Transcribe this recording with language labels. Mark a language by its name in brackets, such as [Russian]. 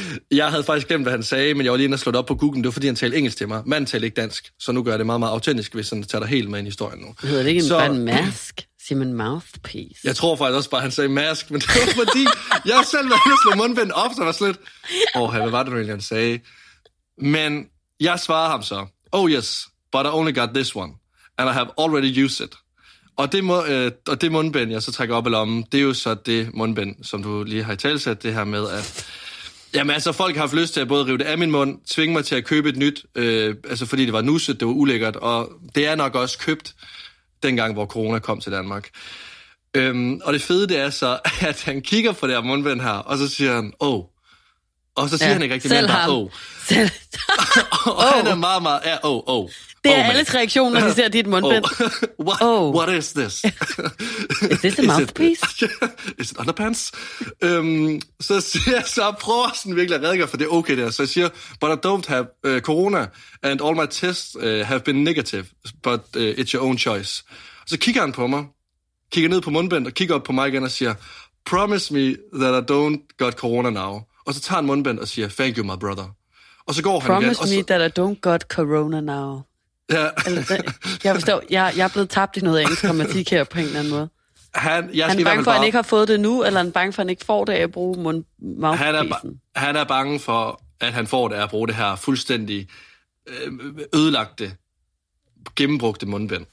[Danish] Jeg havde faktisk glemt, hvad han sagde, men jeg var lige inde og slå det op på Google. Det var, fordi han talte engelsk til mig. Manden talte ikke dansk, så nu gør jeg det meget, meget autentisk, hvis han tager dig helt med i historien nu. Hedder det ikke en mask? Simon Mouthpiece. Jeg tror faktisk også bare, han sagde mask, men det var fordi, jeg selv var inde og slå mundbind op, så var slet, åh, hvad var det, når han sagde? Men jeg svarede ham så, oh yes, but I only got this one, and I have already used it. Og det, det mundbind, jeg så trækker op i lommen, det er jo så det mundbind, som du lige har i talsat, det her med, at jamen altså, folk har haft lyst til at både rive det af min mund, tvinge mig til at købe et nyt, altså fordi det var nusset, det var ulækkert, og det er nok også købt, dengang, hvor corona kom til Danmark. Og det fede, det er så, at han kigger på det her mundbind her, og så siger han, åh. Oh. Og så siger han ikke rigtig, men bare, åh. Oh. Og han er meget, meget, åh, oh, åh. Oh. Det er alles reaktion, når de ser dit mundbind. Oh. [English] What? Oh. What is this? Is this a mouthpiece? [Danish] Is it underpants? så siger jeg så, prøver sådan virkelig at redegøre, for det er okay der. [English] Så jeg siger, but I don't have corona, and all my tests have been negative, but it's your own choice. [Danish] Så kigger han på mig, kigger ned på mundbind, og kigger op på mig igen og siger, promise me that I don't got corona now. Og så tager han mundbind og siger, thank you, my brother. Og så går [English] promise [Danish] han igen. [English] Promise me that I don't got corona now. [Danish] Ja. Jeg forstår, jeg er blevet tabt i noget engelsk grammatik her på en eller anden måde. Han er bange for, at han ikke har fået det nu, eller han er bange for, at han ikke får det af at bruge mouthpiece'en. Han er bange for, at han får det af at bruge det her fuldstændig ødelagte, gennembrugte mundbind.